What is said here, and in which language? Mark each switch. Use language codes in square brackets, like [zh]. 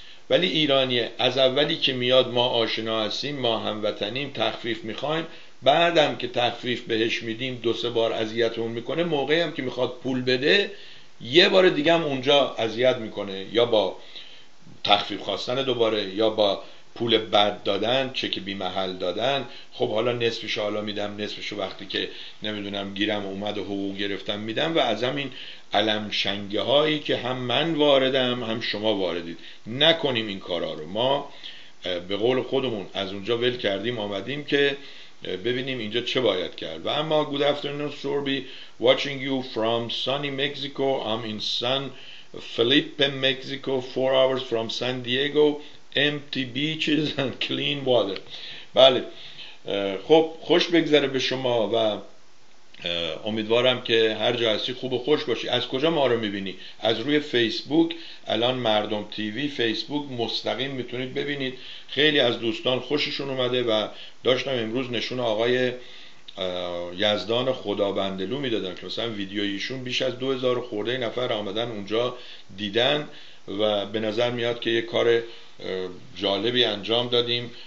[fa] ولی ایرانیه از اولی که میاد ما آشنا هستیم، ما هموطنیم، تخفیف میخوایم، بعدم که تخفیف بهش میدیم 2-3 بار اذیتمون میکنه، موقعی هم که میخواد پول بده یه بار دیگه هم اونجا اذیت میکنه، یا با تخفیف خواستن دوباره یا با پول بد دادن، چک بی محل دادن، خب حالا نصفش حالا میدم نصفشو وقتی که نمیدونم گیرم اومد و حقوق گرفتم میدم، و از همین علم شنگه هایی که هم من واردم هم شما واردید. نکنیم این کارا رو، ما به قول خودمون از اونجا ول کردیم آمدیم که ببینیم اینجا چه باید کرد. و اما [en] good afternoon Sorby, watching you from sunny Mexico, I'm in San Felipe, Mexico, 4 hours from San Diego, empty beaches and clean water. [fa] بله خب خوش بگذره به شما و امیدوارم که هر جا هستی خوب و خوش باشی. از کجا ما رو میبینی؟ از روی فیسبوک، الان مردم تیوی فیسبوک مستقیم میتونید ببینید. خیلی از دوستان خوششون اومده و داشتم امروز نشون آقای یزدان خدابندلو میدادم که مثلا ویدیویشون بیش از 2000 خورده نفر آمدن اونجا دیدن و به نظر میاد که یه کار جالبی انجام دادیم.